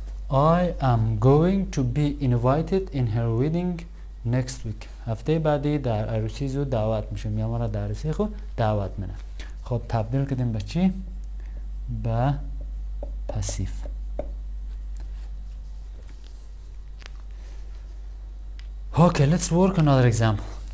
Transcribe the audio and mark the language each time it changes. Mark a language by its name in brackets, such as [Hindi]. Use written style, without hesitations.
[English] I am going to be invited in her wedding next week. [Persian] هفته بعدی در عروسی زو دعوت میشه میام را در عروسی خو دعوت منه. خب تبدیل کردیم به چی؟ به پسیف. [English] Okay, let's work another example.